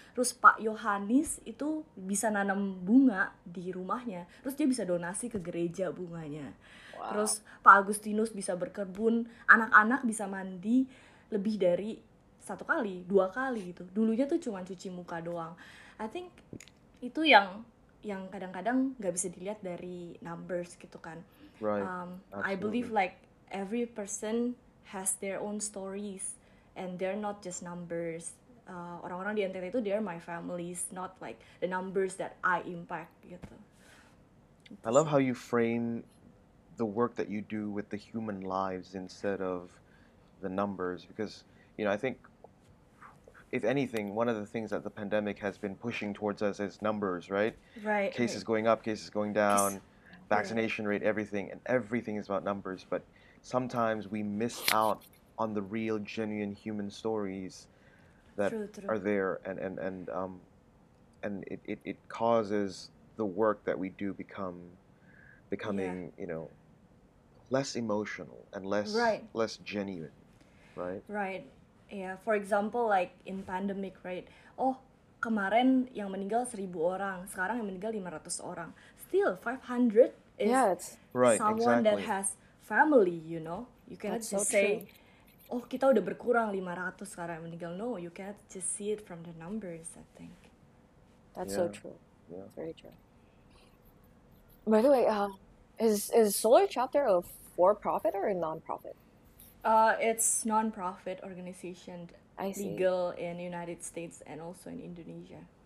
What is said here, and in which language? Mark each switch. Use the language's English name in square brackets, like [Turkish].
[Indonesian] Terus Pak Yohanes itu bisa nanam bunga di rumahnya, terus dia bisa donasi ke gereja bunganya. Wow. Terus Pak Agustinus bisa berkebun, anak-anak bisa mandi lebih dari 1 kali, 2 kali gitu. Dulunya tuh cuma cuci muka doang. [English] I think [Indonesian] itu yang kadang-kadang gak bisa dilihat dari numbers gitu kan. [English] Right. I believe like every person has their own stories and they're not just numbers. [Indonesian] Orang-orang di NTT itu [English] they're my families, not like the numbers that I impact gitu. I love how you frame the work that you do with the human lives instead of the numbers, because you know, I think if anything, one of the things that the pandemic has been pushing towards us is numbers, right? Right. Cases going up, cases going down, vaccination rate, everything. And everything is about numbers. But sometimes we miss out on the real, genuine human stories that true. Are there. And it causes the work that we do becoming you know, less emotional and less genuine, right? Right. Yeah, for example, like in pandemic, right? [Indonesian] Oh, kemarin yang meninggal 1,000 orang, sekarang yang meninggal 500 orang. [English] Still, 500 is someone that has family, you know? You cannot just say, oh, [Indonesian] kita udah berkurang 500 sekarang yang meninggal. [English] No, you cannot just see it from the numbers, I think. That's so true. Yeah. Very true. By the way, is Solar Chapter a for-profit or a non-profit? It's non-profit organization, legal in United States and also in Indonesia.